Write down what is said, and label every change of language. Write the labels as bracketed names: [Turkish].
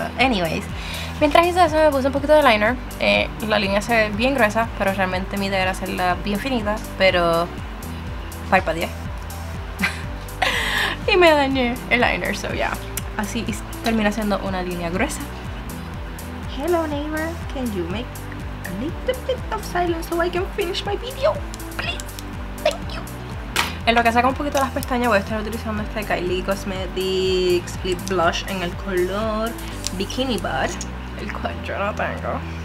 [Spanish] Anyways, mientras hice eso me puse un poquito de liner. La línea se ve bien gruesa, pero realmente mi idea era hacerla bien finita. Pero parpadeé y me dañé el liner, [English] so yeah. [Spanish] Así termina siendo una línea gruesa. [English] Hello neighbor, can you make a little bit of silence so I can finish my video? Please, thank you. [Spanish] En lo que saca un poquito las pestañas, voy a estar utilizando este Kylie Cosmetics Lip Blush en el color Bikini Bar, el cual yo no tengo.